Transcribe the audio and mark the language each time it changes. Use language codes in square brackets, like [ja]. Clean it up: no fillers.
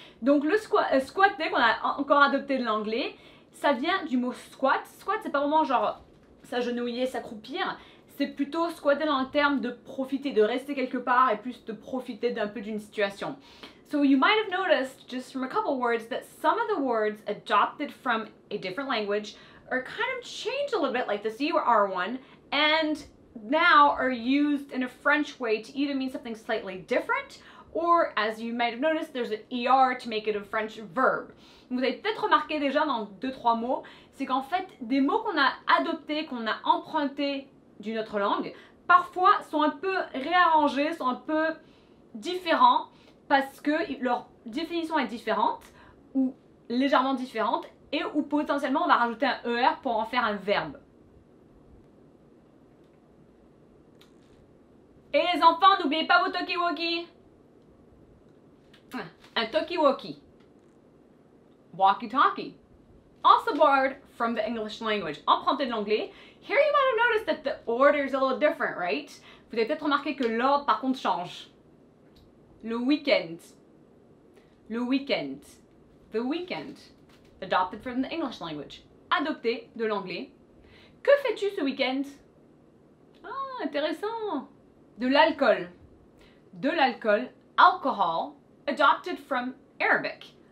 [fr] Donc le squatter, qu'on a encore adopté de l'anglais, ça vient du mot squat. Squat, c'est pas vraiment genre s'agenouiller, s'accroupir. C'est plutôt squatter dans le terme de profiter, de rester quelque part et plus de profiter d'un peu d'une situation. [en] So you might have noticed, just from a couple words, that some of the words adopted from a different language are kind of changed a little bit, like this UR one, and now are used in a French way to either mean something slightly different, or as you might have noticed, there's an ER to make it a French verb. [fr] Vous avez peut-être remarqué déjà dans deux, trois mots, c'est qu'en fait, des mots qu'on a adoptés, qu'on a empruntés d'une autre langue, parfois sont un peu réarrangés, sont un peu différents, parce que leur définition est différente ou légèrement différente et ou potentiellement on va rajouter un ER pour en faire un verbe. Et les enfants, n'oubliez pas vos talkie-walkie. Un talkie-walkie. Walkie-talkie. [en] Also borrowed from the English language. [fr] Emprunté de l'anglais. [en] Here you might have noticed that the order is a little different, right? [fr] Vous avez peut-être remarqué que l'ordre par contre change. Le week-end, le week-end, the weekend, [en] adopted from the English language. [fr] Adopté de l'anglais. Que fais-tu ce week-end? Ah, intéressant. De l'alcool. De l'alcool, alcohol, [en] adopted from Arabic.